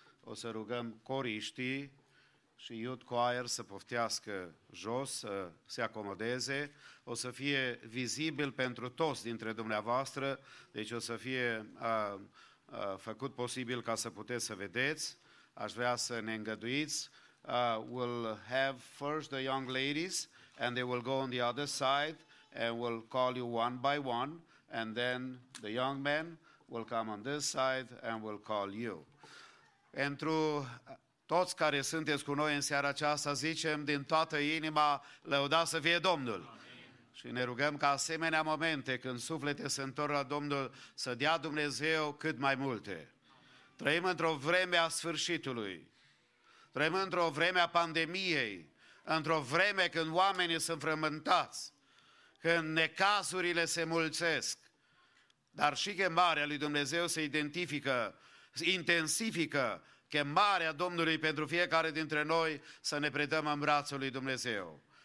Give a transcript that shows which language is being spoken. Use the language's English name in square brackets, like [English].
[Romanian] O să rugăm coriștii și [English] youth choir [Romanian] să poftească jos, să se acomodeze. O să fie vizibil pentru toți dintre dumneavoastră, deci o să fie făcut posibil ca să puteți să vedeți. Aș vrea să ne îngăduiți. [English] We'll have first the young ladies, and they will go on the other side, and we'll call you one by one, and then the young men will come on this side, and we'll call you. [Romanian] Pentru toți care sunteți cu noi în seara aceasta, zicem din toată inima, lăudați să fie Domnul! Și ne rugăm ca asemenea momente, când suflete se întorc la Domnul, să dea Dumnezeu cât mai multe. Trăim într-o vreme a sfârșitului, trăim într-o vreme a pandemiei, într-o vreme când oamenii sunt frământați, când necazurile se mulțesc, dar și chemarea lui Dumnezeu se identifică, intensifică chemarea Domnului pentru fiecare dintre noi să ne predăm în brațul lui Dumnezeu.